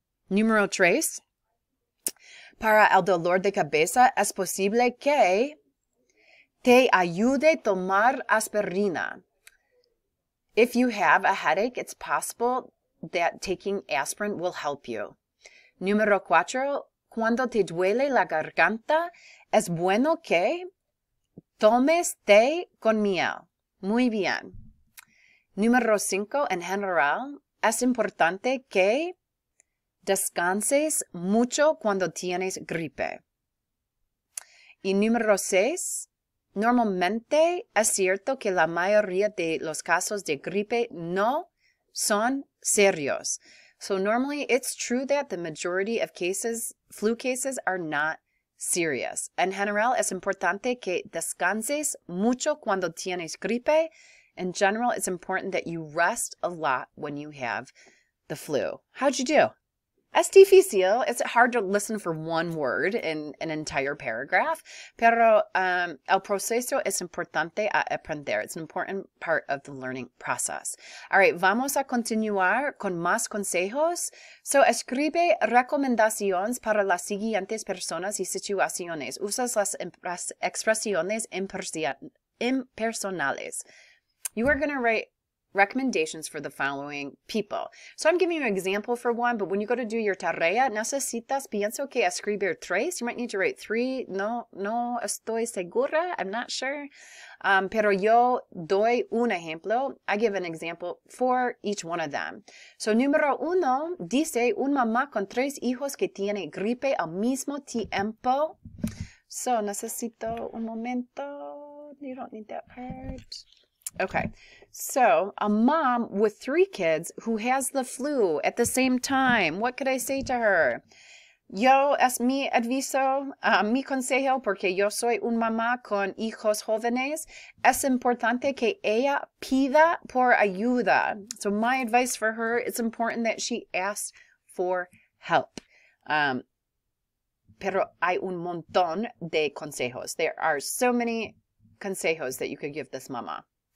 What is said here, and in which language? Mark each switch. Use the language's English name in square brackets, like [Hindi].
[Spanish] Número tres, para el dolor de cabeza, es posible que te ayude tomar aspirina. [English] If you have a headache, it's possible that taking aspirin will help you. [Spanish] Número cuatro, cuando te duele la garganta, es bueno que tomes té con miel. Muy bien. Número cinco, en general, es importante que descanses mucho cuando tienes gripe. Y número seis, normalmente es cierto que la mayoría de los casos de gripe no son serios. [English] So normally it's true that the majority of cases, flu cases, are not serious. [Spanish] En general, es importante que descanses mucho cuando tienes gripe. [English] In general, it's important that you rest a lot when you have the flu. How'd you do? [Spanish] Es difícil. [English] It's hard to listen for one word in an entire paragraph, [Spanish] pero el proceso es importante a aprender. [English] It's an important part of the learning process. All right, [Spanish] vamos a continuar con más consejos. So, escribe recomendaciones para las siguientes personas y situaciones. Usas las expresiones impersonales. [English] You are going to write recommendations for the following people. So I'm giving you an example for one, but when you go to do your tarea, [Spanish] necesitas, pienso que escribir tres. [English] You might need to write three. [Spanish] No estoy segura. [English] I'm not sure. [Spanish] Pero yo doy un ejemplo. [English] I give an example for each one of them. [Spanish] So número uno, dice un mamá con tres hijos que tiene gripe al mismo tiempo. [English] So [Spanish] necesito un momento. [English] You don't need that part. Okay, so a mom with three kids who has the flu at the same time. What could I say to her? [Spanish] Yo es mi aviso, mi consejo, porque yo soy un mamá con hijos jóvenes. Es importante que ella pida por ayuda. [English] So my advice for her, it's important that she asks for help. [Spanish] Pero hay un montón de consejos. [English] There are so many consejos that you could give this mama.